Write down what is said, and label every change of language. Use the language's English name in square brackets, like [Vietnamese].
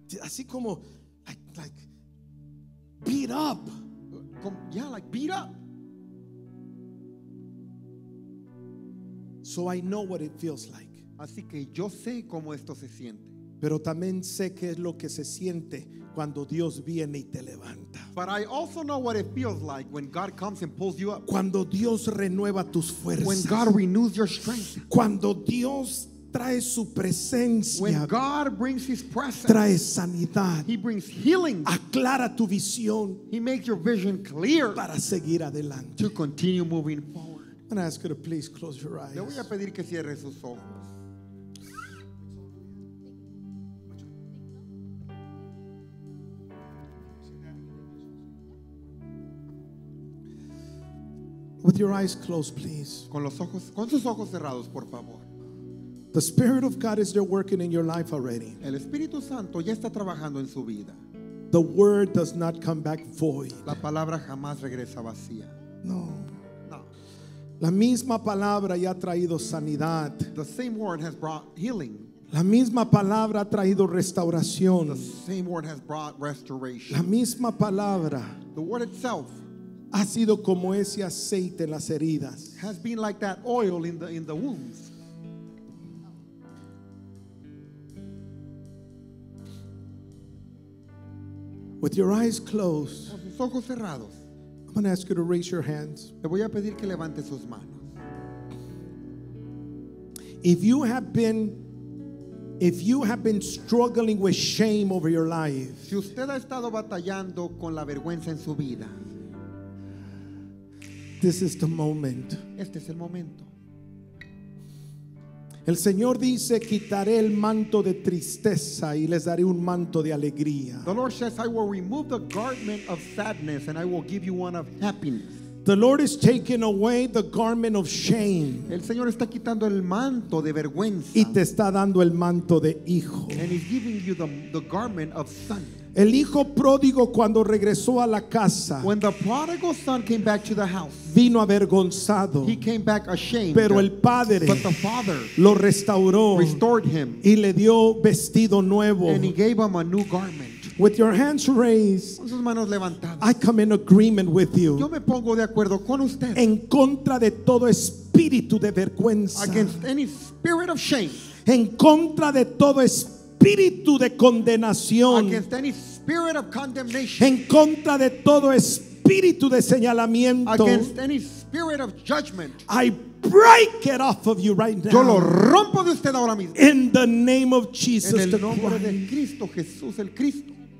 [Spanish] Así como [English] like beat up. Yeah, like beat up. So I know what it feels like. [Spanish] Así que yo sé cómo esto se siente. Pero también sé qué es lo que se siente cuando Dios viene y te levanta. [English] But I also know what it feels like when God comes and pulls you up. [Spanish] Cuando Dios renueva tus fuerzas. [English] When God renews your strength. [Spanish] Cuando Dios trae su presencia. [English] When God brings his presence. [Spanish] Trae sanidad. [English] He brings healing. [Spanish] Aclara tu visión. [English] He makes your vision clear. [Spanish] Para seguir adelante. [English] To continue moving forward. I'm going to ask you to please close your eyes. [Spanish] Le voy a pedir que cierre sus ojos. [English] With your eyes closed, please. [Spanish] Con los ojos, con sus ojos cerrados, por favor. [English] The Spirit of God is there working in your life already. [Spanish] El Espíritu Santo ya está trabajando en su vida. [English] The word does not come back void. [Spanish] La palabra jamás regresa vacía. No. La misma palabra ya ha traído sanidad. [English] The same word has brought healing. [Spanish] La misma palabra ha traído restauración. [English] The same word has brought restoration. [Spanish] La misma palabra. [English] The word itself [Spanish] ha sido como ese aceite en las heridas. [English] Has been like that oil in the wounds. With your eyes closed, [Spanish] con sus ojos cerrados, [English] I'm going to ask you to raise your hands. [Spanish] Le voy a pedir que levante sus manos. [English] If you have been struggling with shame over your life, [Spanish] si usted ha estado batallando con la vergüenza en su vida, [English] this is the moment. [Spanish] Este es el momento. El Señor dice, quitaré el manto de tristeza y les daré un manto de alegría. [English] The Lord says, I will remove the garment of sadness and I will give you one of happiness. The Lord is taking away the garment of shame. [Spanish] El Señor está quitando el manto de vergüenza. Y te está dando el manto de hijo. [English] And he's giving you the garment of son. [Spanish] El hijo pródigo cuando regresó a la casa, [English] when the prodigal son came back to the house, [Spanish] vino avergonzado. [English] He came back ashamed. [Spanish] Pero el padre, [English] but the father, [Spanish] lo restauró, [English] restored him, [Spanish] y le dio vestido nuevo. [English] And he gave him a new garment. With your hands raised, [Spanish] con sus manos levantadas, [English] I come in agreement with you. [Spanish] Yo me pongo de acuerdo con usted. En contra de todo espíritu de vergüenza, [English] against any spirit of shame. [Spanish] En contra de todo espíritu de condenación, [English] against any spirit of condemnation. [Spanish] En contra de todo espíritu de señalamiento, [English] against any spirit of judgment. I break it off of you right now. [Spanish] Yo lo rompo de usted ahora mismo. [English] In the name of Jesus. [Spanish] En el nombre de Cristo Jesús, el Cristo.